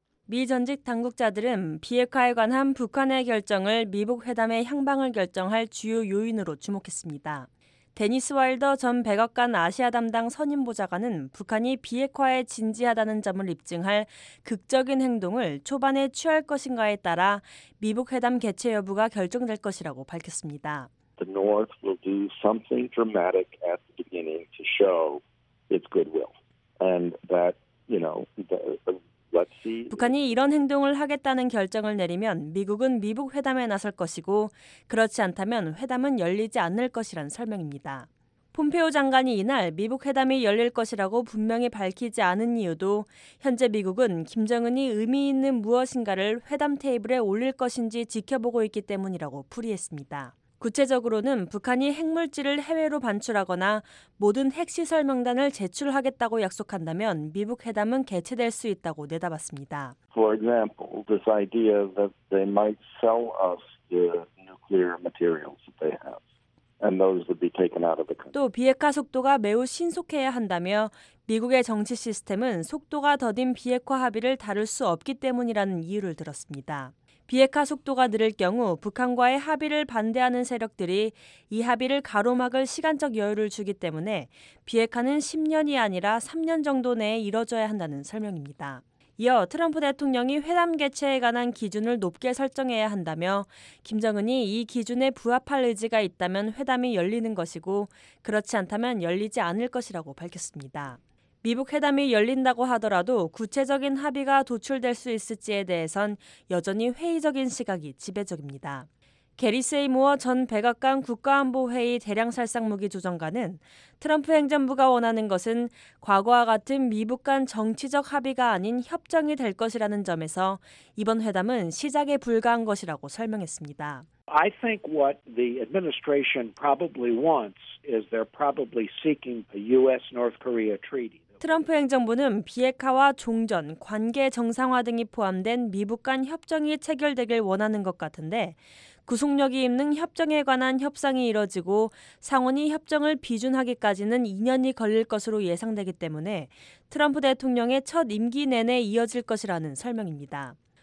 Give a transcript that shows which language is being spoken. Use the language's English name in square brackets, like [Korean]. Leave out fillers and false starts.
[Korean] 미 전직 당국자들은 비핵화에 관한 북한의 결정을 미북 회담의 향방을 결정할 주요 요인으로 주목했습니다. 데니스 와일더 전 백악관 아시아 담당 선임 보좌관은 북한이 비핵화에 진지하다는 점을 입증할 극적인 행동을 초반에 취할 것인가에 따라 미북 회담 개최 여부가 결정될 것이라고 밝혔습니다. [English] The North will do something dramatic at the beginning to show its goodwill and that, you know, the [Korean] 북한이 이런 행동을 하겠다는 결정을 내리면 미국은 미북 회담에 나설 것이고 그렇지 않다면 회담은 열리지 않을 것이란 설명입니다. 폼페오 장관이 이날 미북 회담이 열릴 것이라고 분명히 밝히지 않은 이유도 현재 미국은 김정은이 의미 있는 무엇인가를 회담 테이블에 올릴 것인지 지켜보고 있기 때문이라고 풀이했습니다. 구체적으로는 북한이 핵물질을 해외로 반출하거나 모든 핵시설 명단을 제출하겠다고 약속한다면 미북 회담은 개최될 수 있다고 내다봤습니다. [English] For example, this idea that they might sell us the nuclear materials that they have and those would be taken out of the country. [Korean] 또 비핵화 속도가 매우 신속해야 한다며 미국의 정치 시스템은 속도가 더딘 비핵화 합의를 다룰 수 없기 때문이라는 이유를 들었습니다. 비핵화 속도가 늘을 경우 북한과의 합의를 반대하는 세력들이 이 합의를 가로막을 시간적 여유를 주기 때문에 비핵화는 10년이 아니라 3년 정도 내에 이뤄져야 한다는 설명입니다. 이어 트럼프 대통령이 회담 개최에 관한 기준을 높게 설정해야 한다며 김정은이 이 기준에 부합할 의지가 있다면 회담이 열리는 것이고 그렇지 않다면 열리지 않을 것이라고 밝혔습니다. 미북 회담이 열린다고 하더라도 구체적인 합의가 도출될 수 있을지에 대해선 여전히 회의적인 시각이 지배적입니다. 게리 세이모어 전 백악관 국가안보회의 대량살상무기조정관은 트럼프 행정부가 원하는 것은 과거와 같은 미북 간 정치적 합의가 아닌 협정이 될 것이라는 점에서 이번 회담은 시작에 불과한 것이라고 설명했습니다. [English] I think what the administration probably wants is they're probably seeking a U.S.-North Korea treaty. [Korean] 트럼프 행정부는 비핵화와 종전, 관계 정상화 등이 포함된 미북 간 협정이 체결되길 원하는 것 같은데 구속력이 있는 협정에 관한 협상이 이뤄지고 상원이 협정을 비준하기까지는 2년이 걸릴 것으로 예상되기 때문에 트럼프 대통령의 첫 임기 내내 이어질 것이라는 설명입니다.